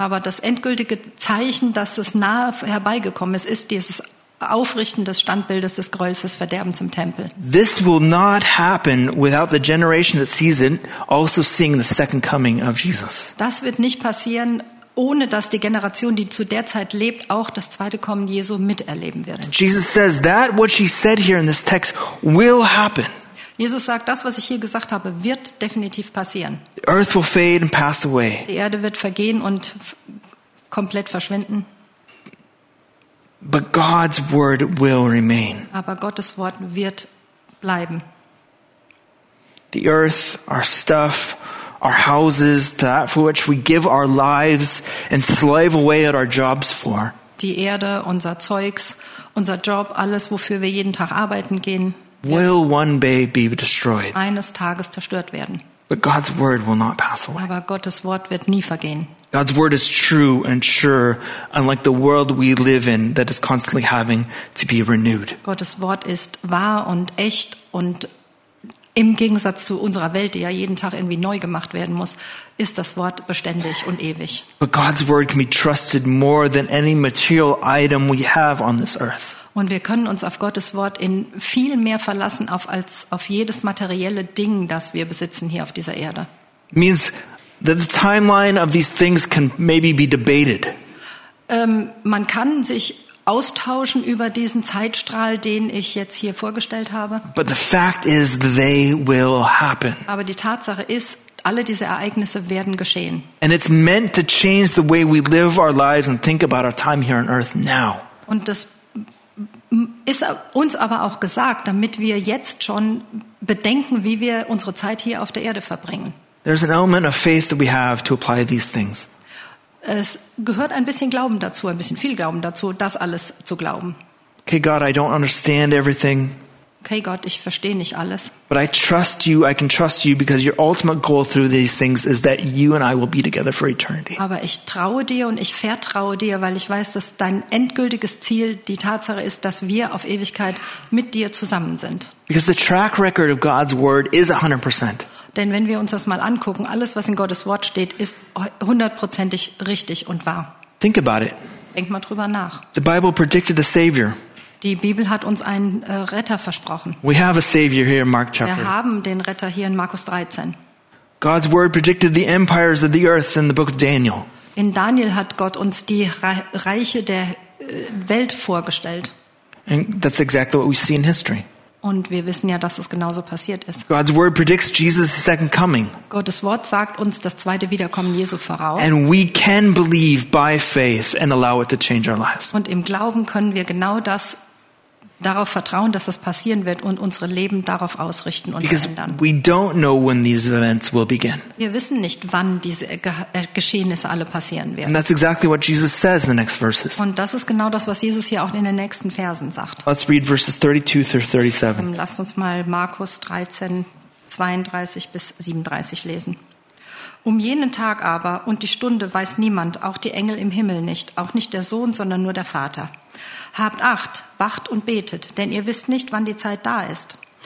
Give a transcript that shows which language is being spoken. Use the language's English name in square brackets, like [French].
[German] Aber das endgültige Zeichen, dass es nahe herbeigekommen ist, ist dieses Aufrichten des Standbildes des Gräuels, des Verderbens im Tempel. [English] This will not happen without the generation that sees it also seeing the second coming of Jesus. [German] Das wird nicht passieren, ohne dass die Generation, die zu der Zeit lebt, auch das zweite Kommen Jesu miterleben wird. [English] Jesus says that what she said here in this text will happen. [German] Jesus sagt, das, was ich hier gesagt habe, wird definitiv passieren. [English] The earth will fade and pass away. [German] Die Erde wird vergehen und komplett verschwinden. [English] But God's word will remain. [German] Aber Gottes Wort wird bleiben. [English] The earth, our stuff, our houses, that for which we give our lives and slave away at our jobs for. [German] Die Erde, unser Zeugs, unser Job, alles, wofür wir jeden Tag arbeiten gehen, [English] will one day be destroyed. [German] Eines Tages zerstört werden. [English] But God's word will not pass away. [German] Aber Gottes Wort wird nie vergehen. [English] God's word is true and sure, unlike the world we live in that is constantly having to be renewed. [German] Gottes Wort ist wahr und echt und im Gegensatz zu unserer Welt, die ja jeden Tag irgendwie neu gemacht werden muss, ist das Wort beständig und ewig. [English] But God's word can be trusted more than any material item we have on this earth. [German] Und wir können uns auf Gottes Wort in viel mehr verlassen als auf jedes materielle Ding, das wir besitzen hier auf dieser Erde. [English] Means that the timeline of these things can maybe be debated. [German] Man kann sich austauschen über diesen Zeitstrahl, den ich jetzt hier vorgestellt habe. [English] But the fact is, they will happen. [German] Aber die Tatsache ist, alle diese Ereignisse werden geschehen. [English] And it's meant to change the way we live our lives and think about our time here on earth now. [German] Und das ist uns aber auch gesagt, damit wir jetzt schon bedenken, wie wir unsere Zeit hier auf der Erde verbringen. [English] There's an element of faith that we have to apply these things. [German] Es gehört ein bisschen Glauben dazu, ein bisschen viel Glauben dazu, das alles zu glauben. [English] Okay, God, I don't understand everything. [German] Okay, Gott, ich verstehe nicht alles. [English] But I trust you, I can trust you, because your ultimate goal through these things is that you and I will be together for eternity. [German] Aber ich traue dir und ich vertraue dir, weil ich weiß, dass dein endgültiges Ziel die Tatsache ist, dass wir auf Ewigkeit mit dir zusammen sind. [English] Because the track record of God's word is 100%. [German] Denn wenn wir uns das mal angucken, alles, was in Gottes Wort steht, ist hundertprozentig richtig und wahr. [English] Think about it. [German] Denk mal drüber nach. [English] The Bible predicted a Savior. [German] Die Bibel hat uns einen Retter versprochen. [English] We have a Savior here in Mark chapter. [German] Wir haben den Retter hier in Markus 13. [English] God's word predicted the empires of the earth in the book of Daniel. [German] In Daniel hat Gott uns die Reiche der Welt vorgestellt. [English] And that's exactly what we see in history. [German] Und wir wissen ja, dass es genauso passiert ist. [English] God's word predicts Jesus' second coming. [German] Gottes Wort sagt uns das zweite Wiederkommen Jesu voraus. [English] And we can believe by faith and allow it to change our lives. [German] Und im Glauben können wir genau das darauf vertrauen, dass das passieren wird und unsere Leben darauf ausrichten und verändern. [English] We don't know when these events will begin. [German] Wir wissen nicht, wann diese Geschehnisse alle passieren werden. [English] And that's exactly what Jesus says in the next verses. [German] Und das ist genau das, was Jesus hier auch in den nächsten Versen sagt. [English] Let's read verses 32 through 37. [German] Lasst uns mal Markus 13, 32 bis 37 lesen. Um jenen Tag aber und die Stunde weiß niemand, auch die Engel im Himmel nicht, auch nicht der Sohn, sondern nur der Vater. Habt Acht, wacht und betet, denn ihr wisst nicht, wann die Zeit da ist.